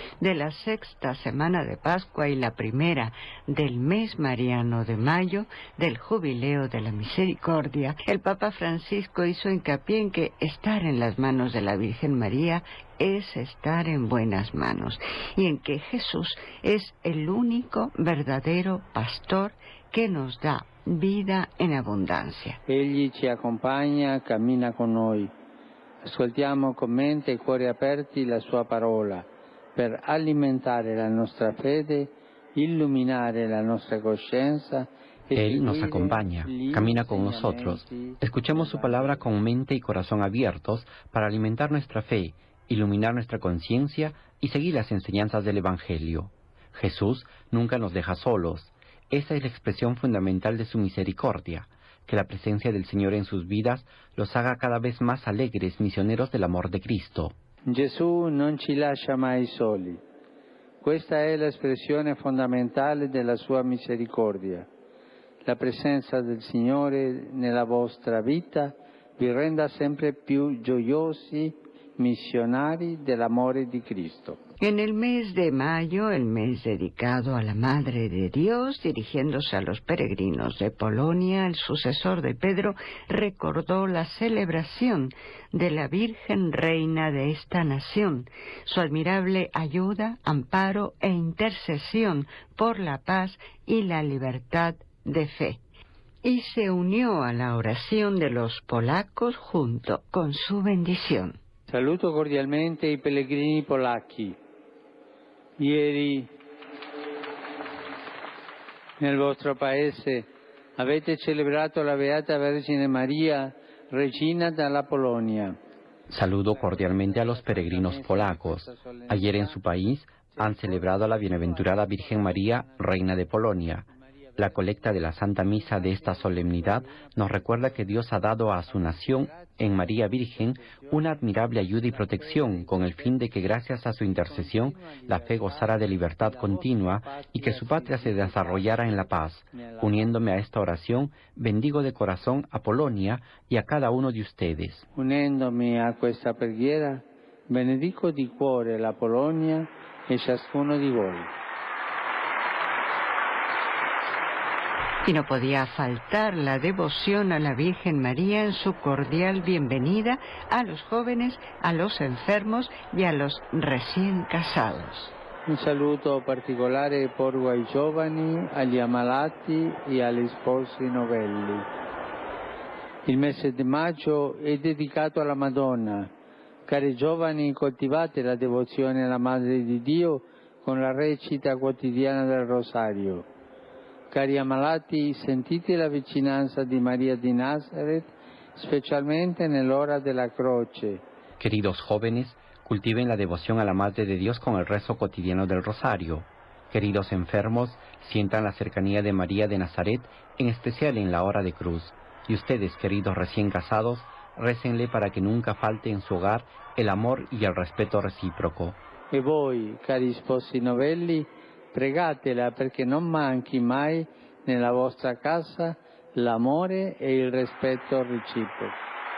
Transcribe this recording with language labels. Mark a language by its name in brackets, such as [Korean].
[Spanish] de la sexta semana de Pascua y la primera del mes mariano de mayo del Jubileo de la Misericordia, el Papa Francisco hizo hincapié en que estar en las manos de la Virgen María es estar en buenas manos y en que Jesús es el único verdadero pastor que nos da vida en abundancia. [Italian] Egli ci accompagna, cammina con noi. Ascoltiamo con mente e cuore aperti la sua parola per alimentare la nostra fede, illuminare la nostra coscienza. [Spanish] Él nos acompaña, camina con nosotros. Escuchemos su palabra con mente y corazón abiertos para alimentar nuestra fe, iluminar nuestra conciencia y seguir las enseñanzas del Evangelio. Jesús nunca nos deja solos. Esa es la expresión fundamental de su misericordia, que la presencia del Señor en sus vidas los haga cada vez más alegres misioneros del amor de Cristo. [Italian] Jesús non ci lascia mai soli. Questa è la espressione fondamentale della sua misericordia. La presenza del Signore nella vostra vita vi renda sempre più gioiosi missionari dell'amore di Cristo. [Spanish] En el mes de mayo, el mes dedicado a la Madre de Dios, dirigiéndose a los peregrinos de Polonia, el sucesor de Pedro recordó la celebración de la Virgen Reina de esta nación, su admirable ayuda, amparo e intercesión por la paz y la libertad de fe. Y se unió a la oración de los polacos junto con su bendición. [Italian] Saluto cordialmente i pellegrini polacchi. Ieri nel vostro paese avete celebrato la Beata Vergine Maria, regina della Polonia. [Spanish] Saluto cordialmente a los peregrinos polacos. Ayer en su país han celebrado a la Bienaventurada Virgen María, reina de Polonia. La colecta de la Santa Misa de esta solemnidad nos recuerda que Dios ha dado a su nación, en María Virgen, una admirable ayuda y protección, con el fin de que, gracias a su intercesión, la fe gozara de libertad continua y que su patria se desarrollara en la paz. Uniéndome a esta oración, bendigo de corazón a Polonia y a cada uno de ustedes. Uniéndome a esta [Italian] preghiera, benedico di cuore la Polonia e ciascuno di voi. [Spanish] Y no podía faltar la devoción a la Virgen María en su cordial bienvenida a los jóvenes, a los enfermos y a los recién casados. [Italian] Un saluto particolare porgo ai giovani, agli ammalati e agli sposi novelli. Il mese di maggio è dedicato alla Madonna. Cari giovani, coltivate la devozione alla Madre di Dio con la recita quotidiana del Rosario. Cari ammalati, sentite la vicinanza di Maria di Nazareth, specialmente nell'ora della croce. [Spanish] Queridos jóvenes, cultiven la devoción a la Madre de Dios con el rezo cotidiano del Rosario. Queridos enfermos, sientan la cercanía de María de Nazaret, en especial en la hora de cruz. Y ustedes, queridos recién casados, récenle para que nunca falte en su hogar el amor y el respeto recíproco. [Italian] E voi, cari sposi novelli, pregatela perché non manchi mai nella vostra casa l'amore e il rispetto reciproco.